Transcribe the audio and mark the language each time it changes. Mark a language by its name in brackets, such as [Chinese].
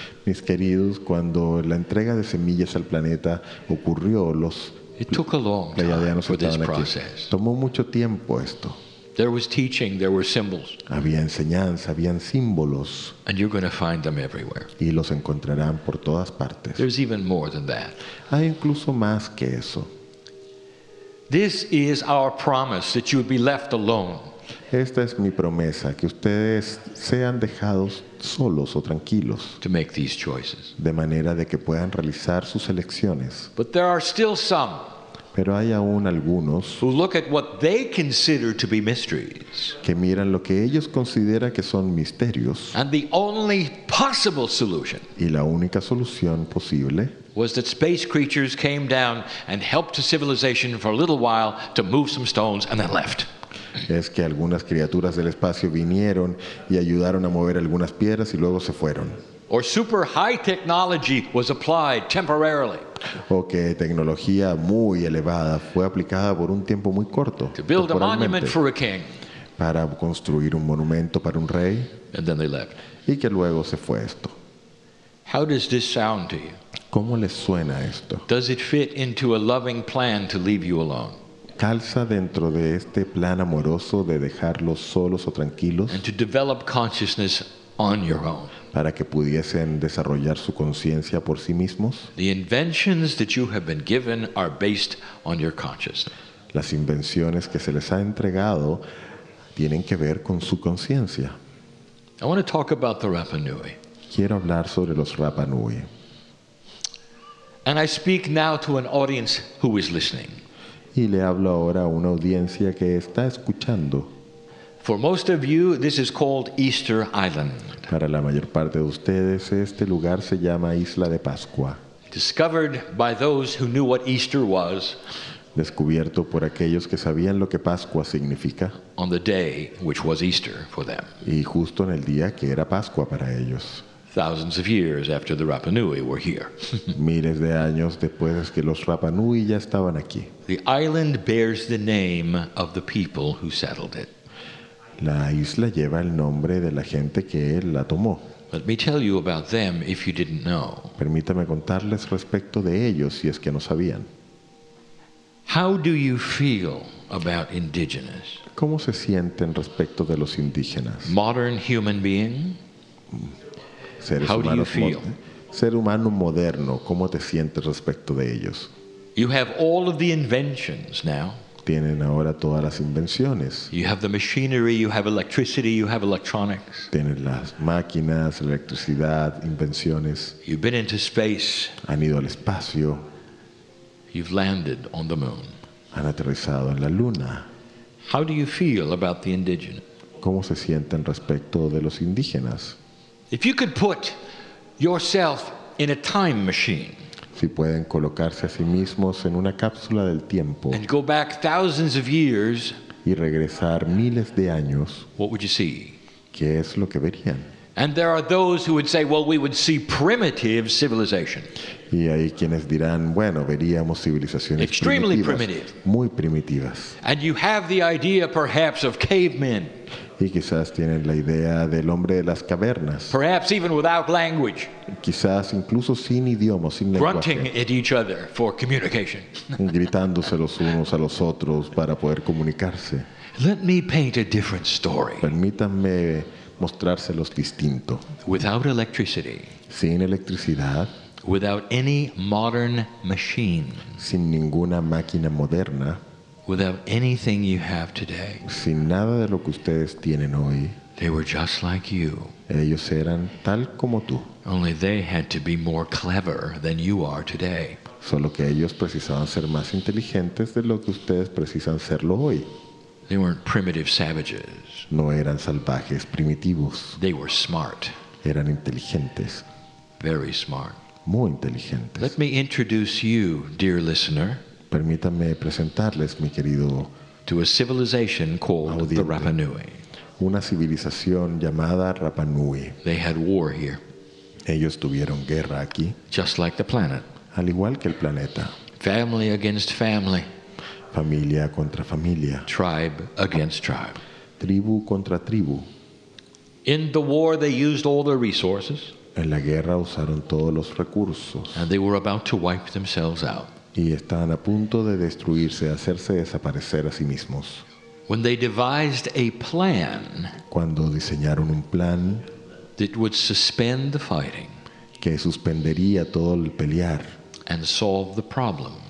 [Spanish] Mis queridos, cuando la entrega de semillas al planeta ocurrió, los pleiadianos estaban aquí. Tomó mucho tiempo esto. [English] There was teaching, there were symbols. [Spanish] Había enseñanza, habían símbolos. [English] And you're going to find them everywhere. [Spanish] Y los encontrarán por todas partes. [English] There's even more than that. [Spanish] Hay incluso más que eso. [English] This is our promise that you would be left alone. [Spanish] Esta es mi promesa, que ustedes sean dejados solos o tranquilos. [English] To make these choices. [Spanish] De manera de que puedan realizar sus elecciones. [English] But there are still some. [Spanish] Pero hay aún algunos [English] who look at what they consider to be mysteries. [Spanish] Que miran lo que ellos consideran que son misterios. [English] And the only possible solution. [Spanish] Y la única solución posible. [English] Was that space creatures came down and helped civilization for a little while to move some stones and then left. [Spanish] Es que algunas criaturas del espacio vinieron y ayudaron a mover algunas piedras y luego se fueron. [English] Or super high technology was applied temporarily. [Spanish] O que tecnología muy elevada fue aplicada por un tiempo muy corto. [English] To build a monument for a king. [Spanish] Para construir un monumento para un rey. [English] And then they left. [Spanish] Y que luego se fue esto. [English] How does this sound to you? [Spanish] ¿Cómo les suena esto? [English] Does it fit into a loving plan to leave you alone? [Spanish] ¿Calza dentro de este plan amoroso de dejarlos solos o tranquilos? [English] And to develop consciousness on your own. [Spanish] Para que pudiesen desarrollar su conciencia por sí mismos. [English] The inventions that you have been given are based on your consciousness. [Spanish] Las invenciones que se les ha entregado tienen que ver con su conciencia. [English] I want to talk about the Rapa Nui. [Spanish] Quiero hablar sobre los Rapa Nui. [English] And I speak now to an audience who is listening. [Spanish] Y le hablo ahora a una audiencia que está escuchando. [English] For most of you, this is called Easter Island. [Spanish] Para la mayor parte de ustedes, este lugar se llama Isla de Pascua. [English] Discovered by those who knew what Easter was. [Spanish] Descubierto por aquellos que sabían lo que Pascua significa. [English] On the day which was Easter for them. [Spanish] Y justo en el día que era Pascua para ellos. [English] Thousands of years after the Rapa Nui were here. [Spanish] Miles de años después que los Rapa Nui ya estaban aquí. [English] The island bears the name of the people who settled it. [Spanish] La isla lleva el nombre de la gente que la tomó. [English] Let me tell you about them if you didn't know. [Spanish] Permítame contarles respecto de ellos si es que no sabían. [English] How do you feel about indigenous? [Spanish] ¿Cómo se sienten respecto de los indígenas? [English] Modern human being? [Spanish] Seres [English] How do you feel? [Spanish] Ser humano moderno, ¿cómo te sientes respecto de ellos? [English] You have all of the inventions now. [Spanish] Tienen ahora todas las invenciones. [English] You have the machinery, you have electricity, you have electronics. [Spanish] Tienen las máquinas, la electricidad, invenciones. [English] You've been into space. [Spanish] Han ido al espacio. [English] You've landed on the moon. [Spanish] Han aterrizado en la luna. [English] How do you feel about the indigenous? [Spanish] ¿Cómo se sienten respecto de los indígenas? [English] If you could put yourself in a time machine, [Spanish] si pueden colocarse a sí mismos en una cápsula del tiempo, [English] and go back thousands of years, [Spanish] y regresar miles de años, [English] what would you see? [Spanish] ¿Qué es lo que verían? [English] And there are those who would say, well, we would see primitive civilization. [Spanish] Y hay quienes dirán, bueno, veríamos civilizaciones [English] extremely primitive. [Spanish] Muy primitivas. [English] And you have the idea, perhaps, of cavemen. [Spanish] Y quizás tienen la idea del hombre de las cavernas. [English] Perhaps even without language. [Spanish] Quizás incluso sin idioma, sin lenguaje. [English] Grunting at each other for communication. [Spanish] Gritándose los unos a los otros para poder comunicarse. [English] Let me paint a different story. [Spanish] Permítanme mostrárselos distinto. [English] Without electricity. [Spanish] Sin electricidad. [English] Without any modern machine. [Spanish] Sin ninguna máquina moderna. [English] Without anything you have today. [Spanish] Sin nada de lo que ustedes tienen hoy. [English] They were just like you. [Spanish] Ellos eran tal como tú. [English] Only they had to be more clever than you are today. [Spanish] Solo que ellos precisaban ser más inteligentes de lo que ustedes precisan serlo hoy. [English] They weren't primitive savages. [Spanish] No eran salvajes primitivos. [English] They were smart. [Spanish] Eran inteligentes. [English] Very smart. [Spanish] Muy inteligentes. [English] Let me introduce you, dear listener. [Spanish] Permítanme presentarles, mi querido, [English] to a civilization called [Spanish] audiente, [English] the Rapa Nui. [Spanish] Una civilización llamada Rapa Nui. [English] They had war here. [Spanish] Ellos tuvieron guerra aquí. [English] Just like the planet. [Spanish] Al igual que el planeta. [English] Family against family. [Spanish] Familia contra familia. [English] Tribe against tribe. [Spanish] Tribu contra tribu. [English] In the war they used all their resources. [Spanish] En la guerra usaron todos los recursos. [English] And they were about to wipe themselves out. [Spanish] Y estaban a punto de destruirse, hacerse desaparecer a sí mismos. [English] When they devised a plan, [Spanish] cuando diseñaron un plan [English] that would suspend the fighting, [Spanish] que suspendería todo el pelear, [English] and solve the problem,